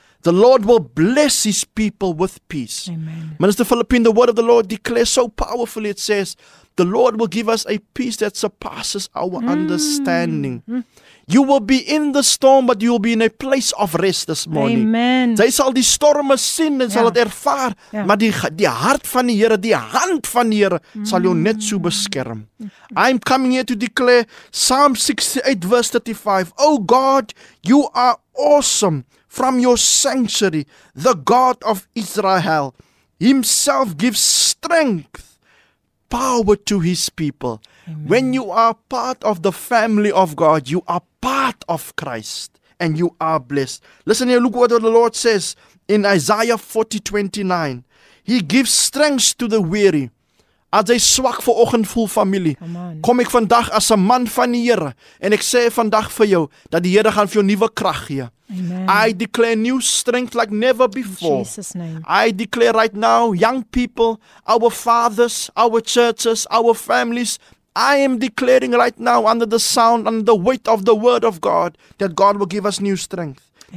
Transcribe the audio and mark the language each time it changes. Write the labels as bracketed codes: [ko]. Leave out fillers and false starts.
[en] The Lord will bless his people with peace. Amen. Minister Philippine, the word of the Lord declares so powerfully, it says, the Lord will give us a peace that surpasses our understanding. Mm. You will be in the storm, but you will be in a place of rest this morning. Amen. [af] Jy sal die storme sien en sal dit ervaar, maar die hart van die Here, die hand van die Here, sal jou net so beskerm. [en] I'm coming here to declare Psalm 68 verse 35. O God, you are awesome from your sanctuary, the God of Israel. Himself gives strength. Power to his people. Amen. When you are part of the family of God, you are part of Christ and you are blessed. Listen here, look what the Lord says in Isaiah 40:29. He gives strength to the weary. [af] As a swak vir oggend voel familie, kom ek vandag as 'n man van die Here en ek sê vandag vir jou dat die Here gaan vir jou nuwe krag gee. [en] Amen. I declare new strength like never before. In Jesus' name. I declare right now, young people, our fathers, our churches, our families, I am declaring right now under the sound, under the weight of the word of God, that God will give us new strength. Amen.